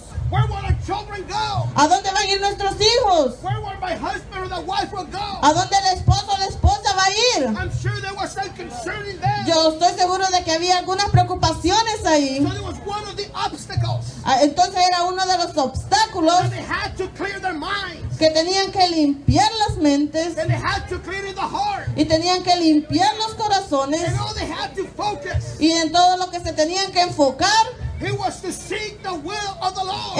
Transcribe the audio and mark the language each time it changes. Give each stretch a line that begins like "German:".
English: Where will our children go?
Spanish: ¿A dónde van a ir nuestros hijos?
English: Where will my husband or the wife will go?
Spanish: ¿A dónde el esposo o la esposa va a ir?
English: I'm sure there was some concern in them.
Spanish: Yo estoy seguro de que había algunas preocupaciones. situaciones ahí.
English: So it was one of the obstacles.
Spanish: Entonces era uno de los obstáculos.
English: And they had to clear their minds.
Spanish: Que tenían que limpiar las mentes.
English: And they had to clear the heart.
Spanish: Y tenían que limpiar los corazones.
English: And all they had to focus.
Spanish: Y en todo lo que se tenían que enfocar.
English: He was to seek the will of the Lord.